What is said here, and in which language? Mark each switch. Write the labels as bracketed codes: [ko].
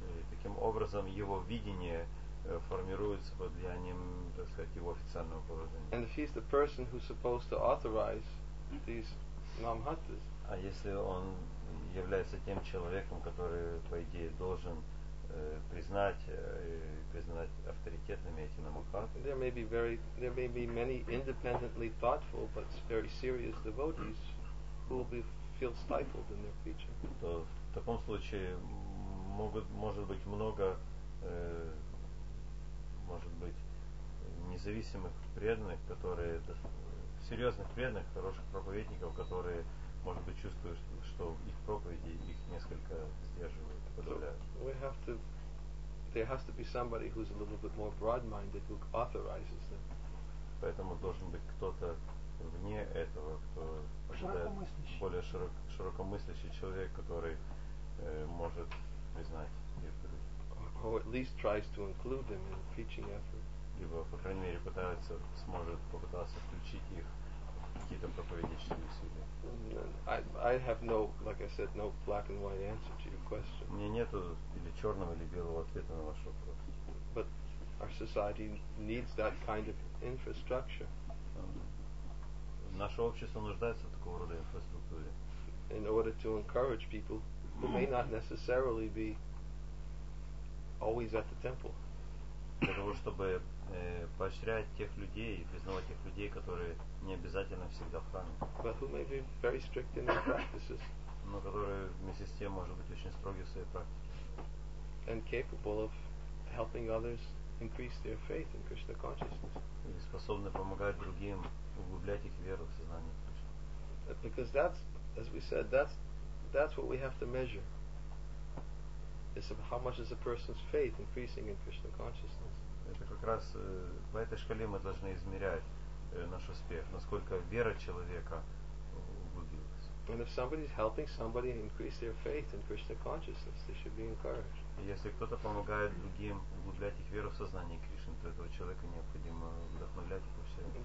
[ru] Таким образом, его видение формируется под влиянием, так сказать, его официального положения. [en] And if he's the person who's supposed to authorize these namhattas. [ru] А если он является тем человеком, который, по идее, должен признать авторитетными эти намахаты. [en] There may be many independently thoughtful but very serious devotees who will feel stifled in their future. [ru] То в таком случае может быть много может быть независимых преданных, которые серьезных преданных, хороших проповедников, которые, может быть, чувствуют, что их проповеди их несколько сдерживают, подавляют. [en] So there has to be somebody who's a little bit more broad-minded who authorizes them. [ru] Поэтому должен быть кто-то вне этого, кто более широкомыслящий человек, который может признать их. [en] Or at least tries to include them in the preaching effort. [ru] Либо, по крайней мере, попытаться включить их в какие-то проповедические усилия. [en] I have no, like I said, no black and white answer to your question. [ru] Мне нету или черного, или белого ответа на ваш вопрос. [en] But our society needs that kind of infrastructure. [ru] Наше общество нуждается в такого рода инфраструктуре. [en] In order to encourage people who may not necessarily be always at the temple. [ru] Для того, чтобы поощрять тех людей и признавать тех людей, которые не обязательно всегда в храме. [en] But who may be very strict in their practices. [ru] Но которые вместе с тем может быть очень строги в своей практике. [en] And capable of helping others increase their faith in Krishna consciousness. [ru] И способны помогать другим углублять их веру в сознание Кришны. [en] Because that's what we have to measure. Is how much is a person's faith increasing in Krishna consciousness? [ru] Это как раз по этой шкале мы должны измерять наш успех, насколько вера человека углубилась. [en] And if somebody's helping somebody increase their faith in Krishna consciousness, they should be encouraged. [ru] Если кто-то помогает другим углублять их веру в сознание Кришны, то этого человека необходимо вдохновлять и поощрять.